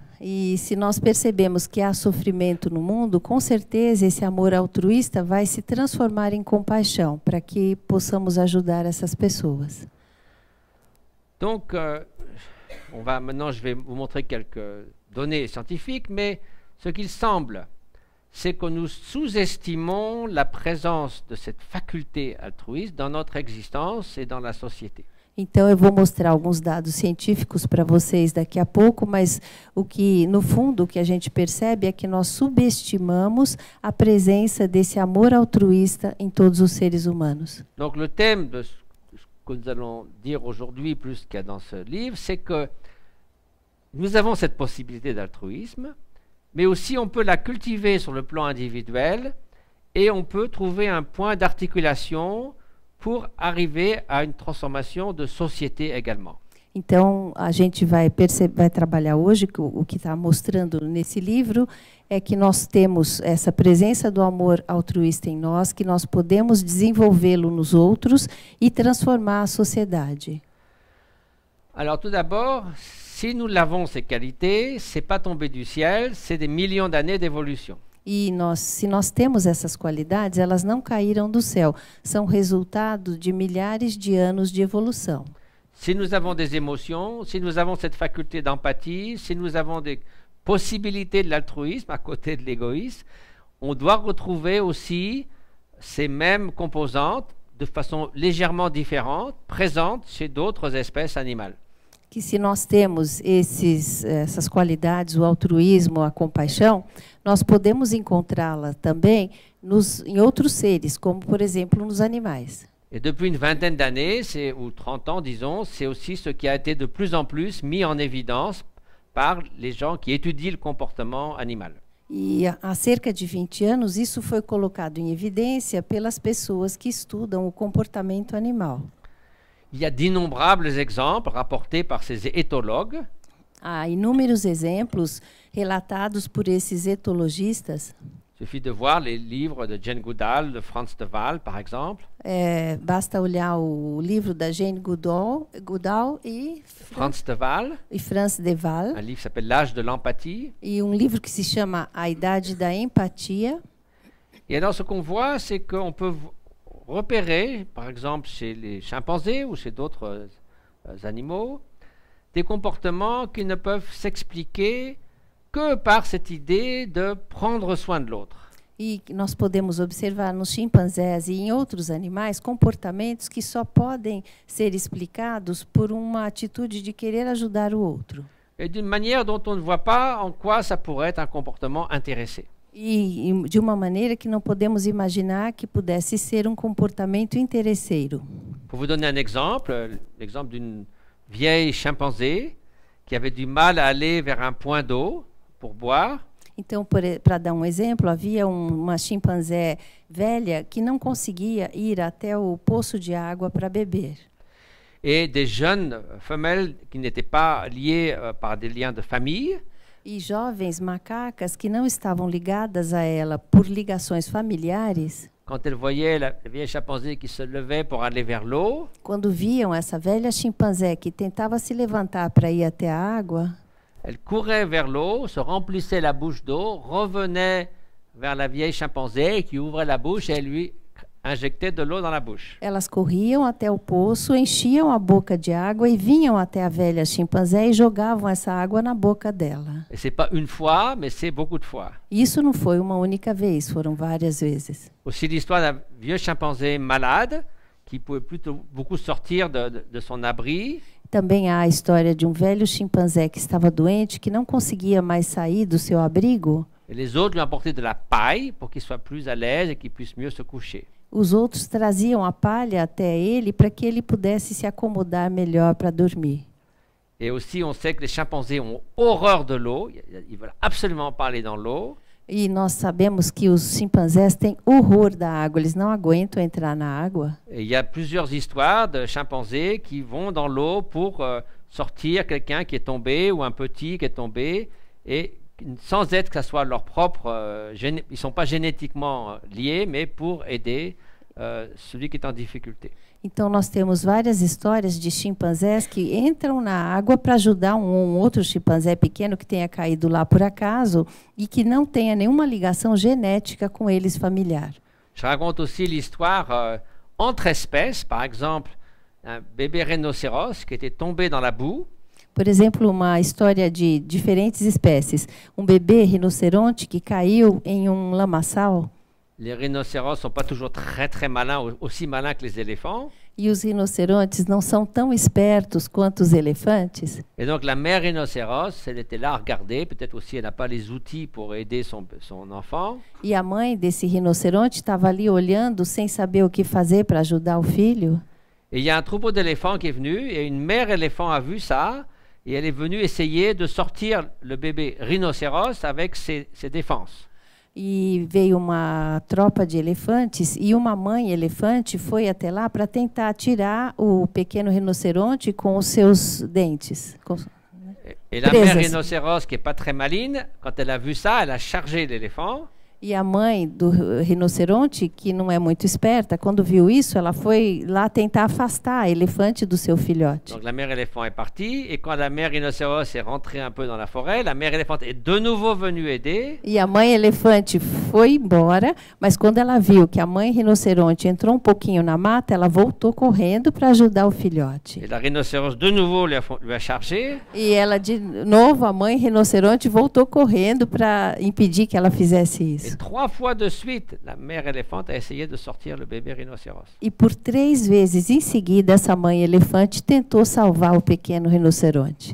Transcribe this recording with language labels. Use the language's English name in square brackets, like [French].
[Portuguese] E se nós percebemos que há sofrimento no mundo, com certeza esse amor altruísta vai se transformar em compaixão para que possamos ajudar essas pessoas. [French] Donc on va maintenant je vais vous montrer quelques données scientifiques, mais ce qu'il semble c'est que nous sous-estimons la présence de cette faculté altruiste dans notre existence et dans la société. [Portuguese] Então, eu vou mostrar alguns dados científicos para vocês daqui a pouco, mas o que, no fundo, o que a gente percebe é que nós subestimamos a presença desse amor altruísta em todos os seres humanos. [French] Donc, le thème de ce que nous allons dire aujourd'hui, plus qu'il y a dans ce livre, c'est que nous avons cette possibilité d'altruisme, mais aussi on peut la cultiver sur le plan individuel et on peut trouver un point d'articulation pour arriver à une transformation de société également. [Portuguese] Então, a gente vai trabalhar hoje que o que está mostrando nesse livro é que nós temos essa presença do amor altruísta em nós, que nós podemos desenvolvê-lo nos outros e transformar a sociedade. [French] Alors tout d'abord, si nous l'avons ces qualités, c'est pas tombé du ciel, c'est des millions d'années d'évolution. [Portuguese] E nós, se nós temos essas qualidades, elas não caíram do céu. São resultado de milhares de anos de evolução. Se nós temos [French] des émotions, [Portuguese] se nós temos essa faculdade de empatia, se nós temos [French] des possibilités de l'altruisme à côté de l'égoïsme, on doit retrouver aussi ces mêmes composantes, de façon légèrement différente, présentes chez d'autres espèces animales. [Portuguese] Que se nós temos essas qualidades, o altruísmo, a compaixão, nós podemos encontrá-la também em outros seres, como, por exemplo, nos animais. [French] E depuis une vingtaine d'années, ou 30 ans, disons, c'est aussi ce qui a été de plus en plus mis en évidence par les gens qui étudient le comportement animal. [Portuguese] E há cerca de 20 anos, isso foi colocado em evidência pelas pessoas que estudam o comportamento animal. [French] Il y a d'innombrables exemples rapportés par ces éthologues. [Portuguese] Há inúmeros exemplos relatados por esses etologistas. [French] Il suffit de voir les livres de Jane Goodall, de Franz de Waal, par exemple. [Portuguese] Basta olhar o livro da Jane Goodall e Franz de Waal. E Franz de Waal. [French] Un livre s'appelle L'âge de l'empathie. [Portuguese] E livro que se chama A Idade da Empatia. [French] Et alors, ce qu'on voit, c'est qu'on peut repérer, par exemple, chez les chimpanzés ou chez d'autres animaux, des comportements qui ne peuvent s'expliquer que par cette idée de prendre soin de l'autre. [Portuguese] E nós podemos observar nos chimpanzés e em outros animais comportamentos que só podem ser explicados por uma atitude de querer ajudar o outro. [French] Et d'une manière dont on ne voit pas en quoi ça pourrait être un comportement intéressé. [Portuguese] E de uma maneira que não podemos imaginar que pudesse ser comportamento interesseiro. [French] Pour vous donner un exemple, l'exemple d'une vieille chimpanzé qui avait du mal à aller vers un point d'eau pour boire. [Portuguese] Então, para dar exemplo, havia uma chimpanzé velha que não conseguia ir até o poço de água para beber. [French] Et des jeunes femelles qui n'étaient pas liées par des liens de famille. [Portuguese] e jovens macacas que não estavam ligadas a ela por ligações familiares. [French] Quand elle voyait la vieille chimpanzé qui se levait pour aller vers l'eau. [Portuguese] Quando viam essa velha chimpanzé que tentava se levantar para ir até a água. [French] Elle courait vers l'eau, se remplissait la bouche d'eau, revenait vers la vieille chimpanzé qui ouvrait la bouche et lui injectait de l'eau dans la bouche. [Portuguese] Elas corriam até o poço, enchiam a boca de água e vinham até a velha chimpanzé e jogavam essa água na boca dela. [French] Et c'est pas une fois, mais c'est beaucoup de fois. [Portuguese] Isso não foi uma única vez, foram várias vezes. [French] Aussi l'histoire d'un vieux chimpanzé malade qui pouvait plutôt beaucoup sortir de son abri. [Portuguese] Também há a história de um velho chimpanzé que estava doente, que não conseguia mais sair do seu abrigo. [French] Et les autres lui apportaient de la paille pour qu'il soit plus à l'aise et qu'il puisse mieux se coucher. [Portuguese] Os outros traziam a palha até ele para que ele pudesse se acomodar melhor para dormir. [French] Et aussi on sait que les chimpanzés ont horreur de l'eau, ils veulent absolument pas aller dans l'eau. [Portuguese] E nós sabemos que os chimpanzés têm horror da água, eles não aguentam entrar na água. [French] Et il y a plusieurs histoires de chimpanzés qui vont dans l'eau pour sortir quelqu'un qui est tombé ou un petit qui est tombé et sans être que ça soit leur propre ils sont pas génétiquement liés mais pour aider celui qui est en difficulté. [Portuguese] Então nós temos várias histórias de chimpanzés que entram na água para ajudar um outro chimpanzé pequeno que tenha caído lá por acaso e que não tenha nenhuma ligação genética com eles familiar. [French] Je raconte aussi l'histoire entre espèces, par exemple, un bébé rhinocéros qui était tombé dans la boue. [Portuguese] Por exemplo, uma história de diferentes espécies. Um bebê rinoceronte que caiu em um lamaçal. [French] Les rhinocéros sont pas toujours très très malins, aussi malins que les éléphants. [Portuguese] E os rinocerontes não são tão espertos quanto os elefantes. [French] Et donc la mère rhinocéros, elle était là à regarder, peut-être aussi elle n'a pas les outils pour aider son enfant. [Portuguese] E a mãe desse rinoceronte estava ali olhando sem saber o que fazer para ajudar o filho. [French] Et il y a un troupeau d'éléphants qui est venu et une mère éléphant a vu ça et elle est venue essayer de sortir le bébé rhinocéros avec ses défenses. [Portuguese] E veio uma tropa de elefantes e uma mãe elefante foi até lá para tentar tirar o pequeno rinoceronte com os seus dentes. [French] Et la mère rhinocéros qui est pas très maline, quand elle a vu ça, elle a chargé l'éléphant. [Portuguese] E a mãe do rinoceronte, que não é muito esperta, quando viu isso, ela foi lá tentar afastar a elefante do seu filhote. [French] Donc la mère éléphant est partie et quand la mère rhinocéros est rentrée un peu dans la forêt, la mère éléphante est de nouveau venue aider. [Portuguese] E a mãe elefante foi embora, mas quando ela viu que a mãe rinoceronte entrou um pouquinho na mata, ela voltou correndo para ajudar o filhote. [French] Et la rhinocéros de nouveau lui a chargé. [Portuguese] E ela de novo, a mãe rinoceronte voltou correndo para impedir que ela fizesse isso. [French] Et trois fois de suite, la mère éléphante a essayé de sortir le bébé rhinocéros. [Portuguese] E por três vezes em seguida, essa mãe elefante tentou salvar o pequeno rinoceronte.